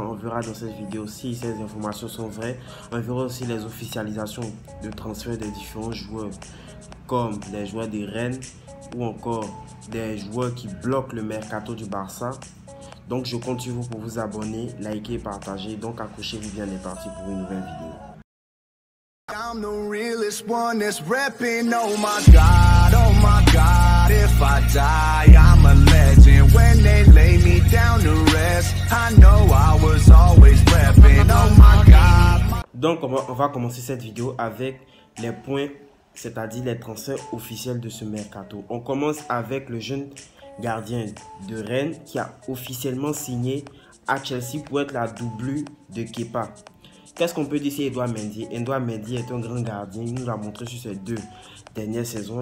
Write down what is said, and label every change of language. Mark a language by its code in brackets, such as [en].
[fr] On verra dans cette vidéo si ces informations sont vraies. On verra aussi les officialisations de transfert des différents joueurs, comme les joueurs des Rennes ou encore des joueurs qui bloquent le mercato du Barça. Donc je compte sur vous pour vous abonner, liker et partager. Donc accrochez-vous bien, on est parti pour une nouvelle vidéo. [en] I'm the realest one that's rapping, oh my god, if I die, I'm a legend, when they lay me down to rest, I know I was always rapping, oh my god. [fr] Donc on va commencer cette vidéo avec les points, c'est-à-dire les transferts officiels de ce mercato. On commence avec le jeune gardien de Rennes qui a officiellement signé à Chelsea pour être la doublure de Kepa. Qu'est-ce qu'on peut dire sur Edouard Mendy? Edouard Mendy est un grand gardien, il nous l'a montré sur ses deux dernières saisons.